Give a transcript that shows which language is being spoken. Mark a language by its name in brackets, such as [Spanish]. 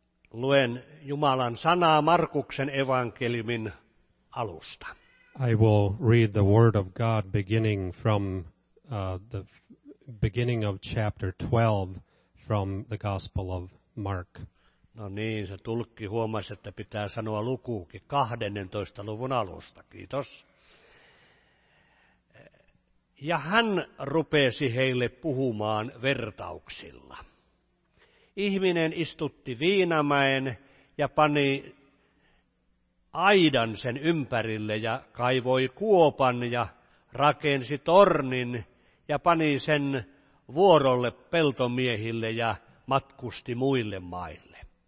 [Finnish] Luen Jumalan sanaa Markuksen evankeliumin alusta. [English] I will read the word of God beginning from the beginning of chapter 12 from the Gospel of Mark. [Finnish] No niin, se tulkki huomasi, että pitää sanoa lukuukin 12. luvun alusta. Kiitos. Ja hän rupesi heille puhumaan vertauksilla. Ihminen istutti viinamäen ja pani aidan sen ympärille ja kaivoi kuopan ja rakensi tornin ja pani sen vuorolle peltomiehille ja matkusti muille maille.